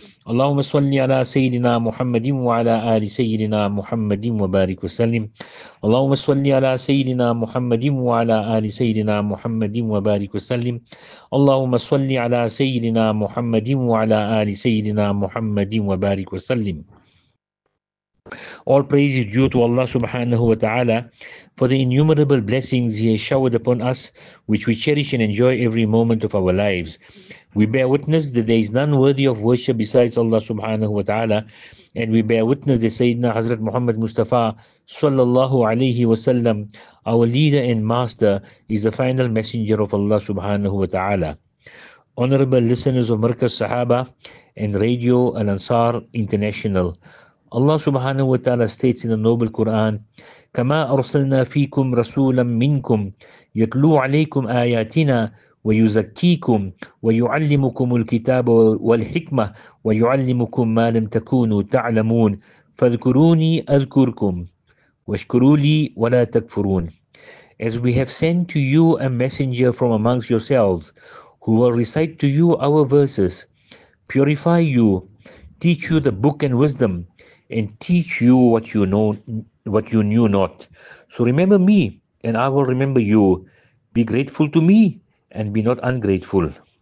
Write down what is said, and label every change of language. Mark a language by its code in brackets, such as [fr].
[ar] اللهم صل على سيدنا محمد وعلى آل سيدنا محمد وبارك وسلم. اللهم صل على سيدنا محمد وعلى آل سيدنا محمد وبارك وسلم. اللهم صل على سيدنا محمد وعلى آل سيدنا محمد وبارك وسلم. [en] All praise is due to Allah subhanahu wa ta'ala for the innumerable blessings He has showered upon us, which we cherish and enjoy every moment of our lives. We bear witness that there is none worthy of worship besides Allah subhanahu wa ta'ala, and we bear witness that Sayyidina Hazrat Muhammad Mustafa sallallahu alayhi wa sallam, our leader and master, is the final messenger of Allah subhanahu wa ta'ala. Honorable listeners of Markaz Sahaba and Radio Al Ansar International, Allah subhanahu wa ta'ala states in the Noble Quran, كَمَا [ar] أَرْسَلْنَا فِيكُمْ رَسُولًا مِّنْكُمْ يَتْلُو عَلَيْكُمْ آيَاتِنَا وَيُزَكِّيكُمْ وَيُعَلِّمُكُمُ الْكِتَابَ وَالْحِكْمَةَ وَيُعَلِّمُكُمْ مَا لَمْ تَكُونُوا تَعْلَمُونَ فَاذْكُرُونِي أَذْكُرْكُمْ وَاشْكُرُوا لِي وَلَا تَكْفُرُونَ. [en] As we have sent to you a messenger from amongst yourselves, who will recite to you our verses, purify you, teach you the book and wisdom, and teach you what you know, what you knew not. So remember me, and I will remember you. Be grateful to me, and be not ungrateful.